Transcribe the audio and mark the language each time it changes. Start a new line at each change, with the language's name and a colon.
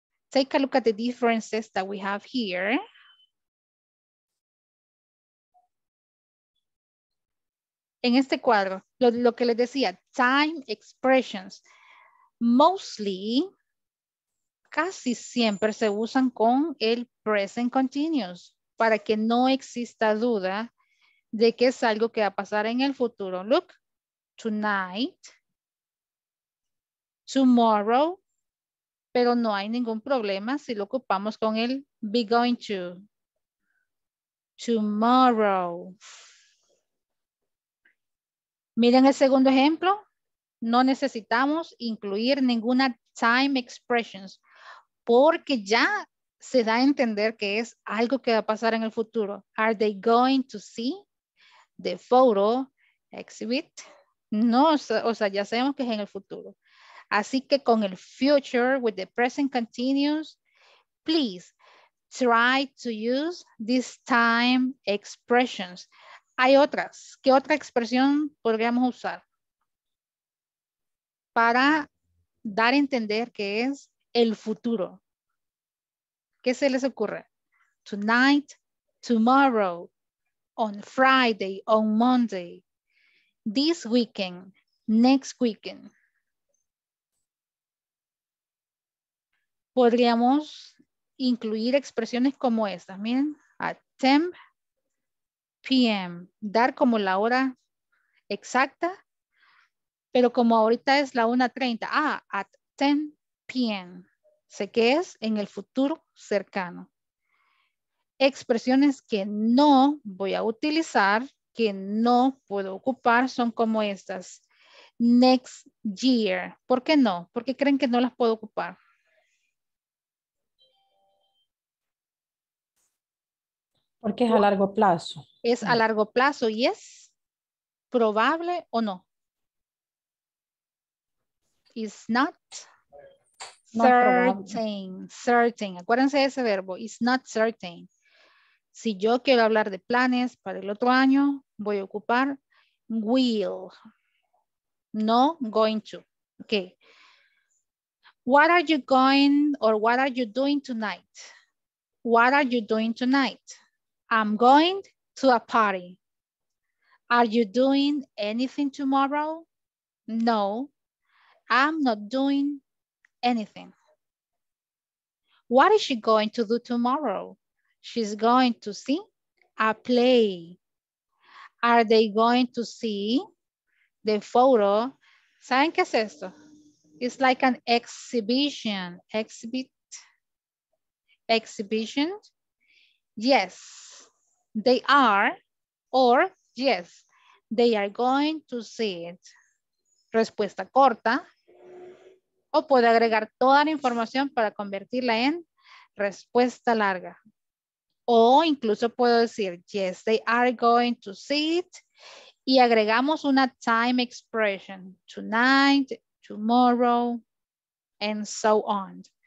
English: Take a look at the differences that we have here.
Spanish: En este cuadro, lo que les decía, time expressions. Mostly, casi siempre se usan con el present continuous para que no exista duda de que es algo que va a pasar en el futuro.
English: Look, tonight, tomorrow,
Spanish: pero no hay ningún problema si lo ocupamos con el be going to.
English: Tomorrow.
Spanish: Miren el segundo ejemplo. No necesitamos incluir ninguna time expressions porque ya se da a entender que es algo que va a pasar en el futuro.
English: Are they going to see the photo exhibit?
Spanish: No, o sea, ya sabemos que es en el futuro. Así que con el future,
English: with the present continuous, please try to use these time expressions.
Spanish: Hay otras. ¿Qué otra expresión podríamos usar para dar a entender que es el futuro? ¿Qué se les ocurre?
English: Tonight, tomorrow, on Friday, on Monday, this weekend, next weekend.
Spanish: Podríamos incluir expresiones como estas, miren,
English: at 10 p.m.,
Spanish: dar como la hora exacta, pero como ahorita es la 1:30, at 10 p.m., sé que es en el futuro cercano. Expresiones que no voy a utilizar, que no puedo ocupar, son como estas. Next year. ¿Por qué no? ¿Por qué creen que no las puedo ocupar? Porque es a largo plazo. Es a largo plazo y es probable o no.
English: It's not. Certain, certain.
Spanish: Acuérdense de ese verbo,
English: it's not certain.
Spanish: Si yo quiero hablar de planes para el otro año, voy a ocupar will, no going to.
English: Okay. What are you going or what are you doing tonight? What are you doing tonight? I'm going to a party. Are you doing anything tomorrow? No, I'm not doing anything. What is she going to do tomorrow? She's going to see a play. Are they going to see the photo?
Spanish: ¿Saben qué es esto?
English: It's like an exhibition. Exhibit. Exhibition. Yes, they are. Or yes, they are going to see it.
Spanish: Respuesta corta. O puede agregar toda la información para convertirla en respuesta larga. O incluso puedo decir,
English: yes, they are going to see it.
Spanish: Y agregamos una time expression.
English: Tonight, tomorrow, and so on.